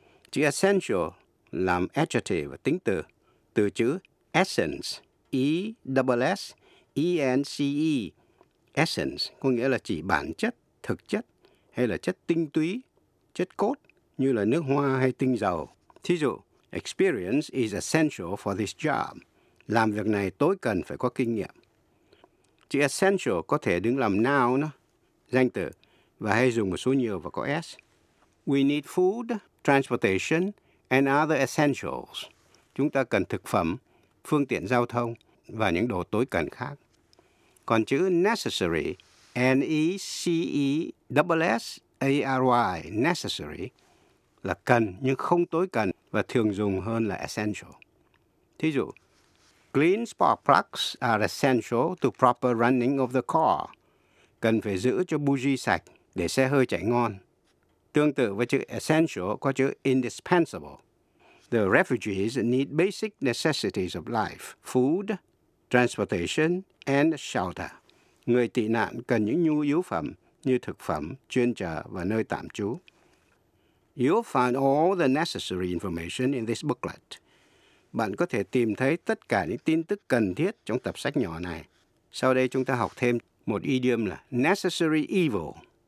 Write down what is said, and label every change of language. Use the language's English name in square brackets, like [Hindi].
[Vietnamese] Chữ essential làm adjective, tính từ, từ chữ essence, E-S-S-E-N-C-E, essence có nghĩa là chỉ bản chất, thực chất hay là chất tinh túy, chất cốt như là nước hoa hay tinh dầu. Thí dụ, [English] experience is essential for this job. [Vietnamese] Làm việc này tối cần phải có kinh nghiệm. Chữ essential có thể đứng làm noun, danh từ, và hay dùng một số nhiều và có S. [English] We need food, transportation, and other essentials. [Vietnamese] Chúng ta cần thực phẩm, phương tiện giao thông và những đồ tối cần khác. Còn chữ necessary, N-E-C-E-S-S-A-R-Y, necessary, là cần nhưng không tối cần và thường dùng hơn là essential. Thí dụ, [English] clean spark plugs are essential to proper running of the car. [Vietnamese] Cần phải giữ cho bugi sạch để xe hơi chạy ngon. Tương tự với chữ essential có chữ indispensable. [English] The refugees need basic necessities of life, food, transportation, and shelter. [Vietnamese] Người tị nạn cần những nhu yếu phẩm như thực phẩm, chuyên chở và nơi tạm trú. [English] You'll find all the necessary information in this booklet. [Vietnamese] Bạn có thể tìm thấy tất cả những tin tức cần thiết trong tập sách nhỏ này. Sau đây chúng ta học thêm một idiom là necessary evil.